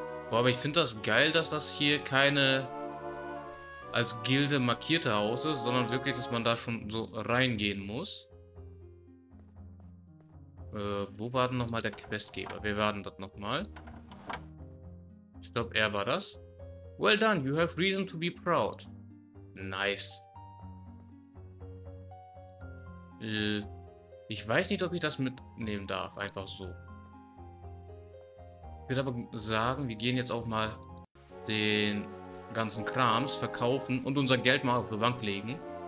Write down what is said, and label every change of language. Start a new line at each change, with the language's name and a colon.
German: Boah, aber ich finde das geil, dass das hier keine als Gilde markierte Haus ist, sondern wirklich, dass man da schon so reingehen muss. Wo war denn nochmal der Questgeber? Wer war denn das nochmal? Ich glaube, er war das.
English: Well done, you have reason to be proud. Nice.
German: Ich weiß nicht, ob ich das mitnehmen darf, einfach so. Ich würde aber sagen, wir gehen jetzt auch mal den ganzen Krams verkaufen und unser Geld mal auf die Bank legen.